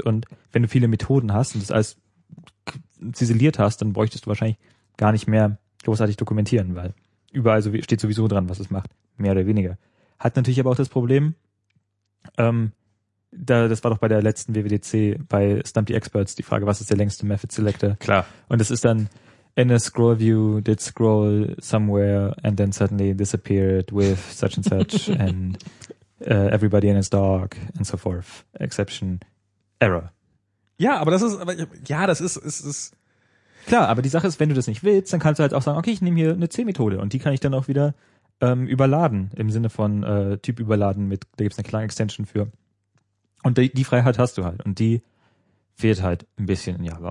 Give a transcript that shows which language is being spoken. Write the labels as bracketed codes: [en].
[de] Und wenn du viele Methoden hast und das alles ziseliert hast, dann bräuchtest du wahrscheinlich gar nicht mehr großartig dokumentieren, weil überall so steht sowieso dran, was es macht, mehr oder weniger. Hat natürlich aber auch das Problem, das war doch bei der letzten WWDC bei Stump the Experts die Frage, was ist der längste Method Selector? Klar. [en] Und das ist dann in a scroll view did scroll somewhere and then suddenly disappeared with such and such and everybody and his dog and so forth. Exception error. [de] Ja, aber das ist. Klar, aber die Sache ist, wenn du das nicht willst, dann kannst du halt auch sagen, okay, ich nehme hier eine C-Methode und die kann ich dann auch wieder überladen, im Sinne von Typ überladen mit, da gibt es eine kleine Extension für. Und die Freiheit hast du halt und die fehlt halt ein bisschen in Java.